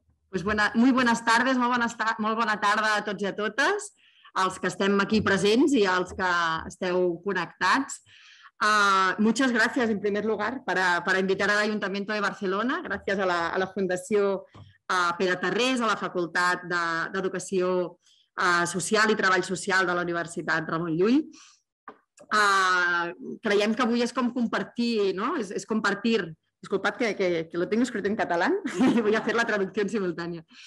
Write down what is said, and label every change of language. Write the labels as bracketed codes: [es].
[es] Pues muy buenas tardes, muy buena tarde a todos y a todas, a los que [ca] estem [es] aquí presentes y a los que [ca] esteu connectats. [es] Muchas gracias en primer lugar para invitar al Ayuntamiento de Barcelona, gracias a la Fundación Pere Tarrés, a la Facultad de Educación Social y Trabajo Social de la Universidad Ramon Llull. [ca] Creiem que avui és com compartir, no? És compartir, [es] disculpad que lo tengo escrito en catalán, voy a hacer la traducción simultánea.